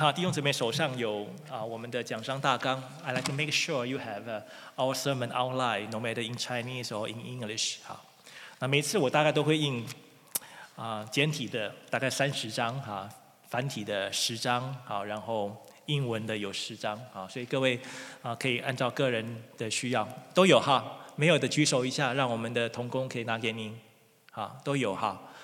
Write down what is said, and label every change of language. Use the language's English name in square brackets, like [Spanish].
[Chinese] 弟兄姊妹手上有我们的讲章大纲。 [English] I like to make sure you have our sermon outline, no matter in Chinese or in English. [Chinese] 好，那每次我大概都会印简体的大概30章，繁体的10章，然后英文的有10章，所以各位可以按照个人的需要都有哈，没有的举手一下，让我们的同工可以拿给您，都有哈。